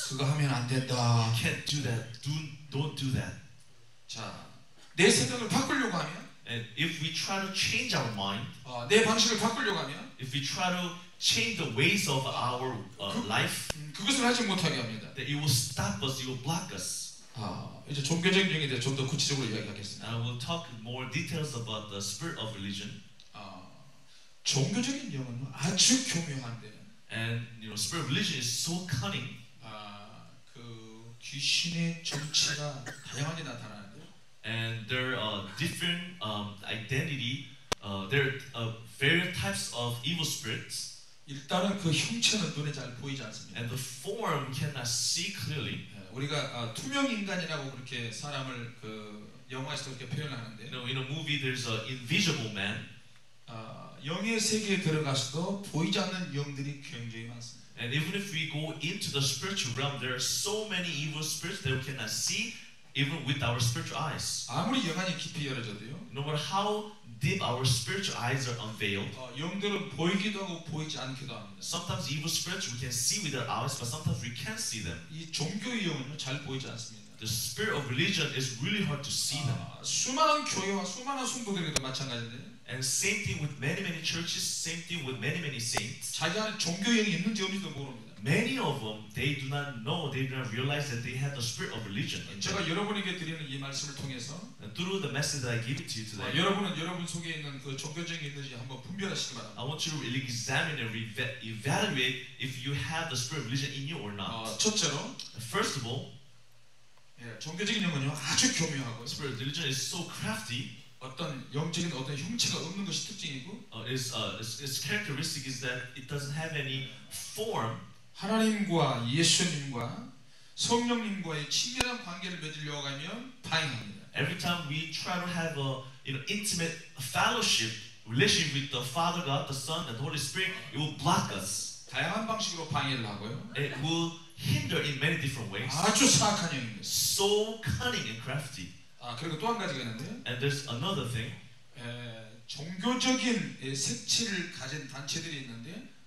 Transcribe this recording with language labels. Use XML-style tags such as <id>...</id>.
<ko>그거 하면 안 된다</ko> <en>you can't do that don't do that</en> <ko>자 내 생각을 바꾸려고 하면</ko> <en>and if we try to change our mind</en> <ko>내 방식을 바꾸려고 하면</ko> <en>if we try to change the ways of our life</en> <ko>그것을 하지 못하게 합니다</ko> <en>that it will stop us it will block us</en> <ko>이제 종교적인 영에 대해 좀 더 구체적으로 이야기하겠습니다.</ko> <en>I will talk more details about the spirit of religion.</en> <ko>종교적인 영은 아주 교묘한데.</ko> <en>And you know, spirit of religion is so cunning.</en> <ko>그 귀신의 정체가 다양하게 나타나는데.</ko> <en>And there are different identity. There are various types of evil spirits.</en> <ko>일단은 그 형체는 눈에 잘 보이지 않습니다.</ko> <en>And the form cannot see clearly.</en> <ko>우리가 투명 인간이라고 그렇게 사람을 그 영화에서 그렇게 표현하는데</ko> <en>you know, in a movie there's an invisible man</en> <ko>영의 세계에 들어가서도 보이지 않는 영들이 굉장히 많습니다</ko> <en>and even if we go into the spiritual realm there are so many evil spirits that we cannot see even with our spiritual eyes.</en> <ko>아무리 영안이 깊이 열어져도요.</ko> <en>No matter how deep our spiritual eyes are unveiled.</en> <ko>영들은 보이기도 하고 보이지 않기도 합니다.</ko> <en>Sometimes evil spirits we can see with our eyes, but sometimes we can't see them.</en> <ko>이 종교의 영은 잘 보이지 않습니다.</ko> <en>The spirit of religion is really hard to see them.</en> <ko>수많은 교회와 수많은 성도들에게도 마찬가지인데.</ko> <en>And same thing with many many churches, same thing with many many saints.</en> <ko>자기 안에 종교 영이 있는지 없는지도 모릅니다.</ko> <en>Many of them, they do not know, they do not realize that they have the spirit of religion.</en> <ko>제가 여러분에게 드리는 이 말씀을 통해서,</ko> <en>through the message that I give to you today,</en> <ko>여러분은 여러분 속에 있는 그 종교적인 있는지 한번 분별하시기 바랍니다.</ko> <en>I want you to really examine and evaluate if you have the spirit of religion in you or not.</en> <ko>첫째로,</ko> <en>first of all,</en> <ko>종교적인 영은요 아주 교묘하고,</ko> <en>spirit of religion is so crafty.</en> <ko>어떤 영적인 어떤 형체가 없는 것이 특징이고,</ko> <en>its characteristic is that it doesn't have any form.</en> <ko>하나님과 예수님과 성령님과의 친밀한 관계를 맺으려고 하면 다행입니다.</ko> <en>Every time we try to have a intimate fellowship relationship with the Father God, the Son, and the Holy Spirit, it will block us.</en> <ko>다양한 방식으로 방해를 하고요.</ko> <en>It will hinder in many different ways.</en> <ko>아주 사악한 영입니다.</ko> <en>So cunning and crafty.</en> <ko>아 그리고 또 한 가지가 있는데.</ko> <en>And there's another thing.</en> <ko>종교적인 색채를 가진 단체들이 있는데.</ko>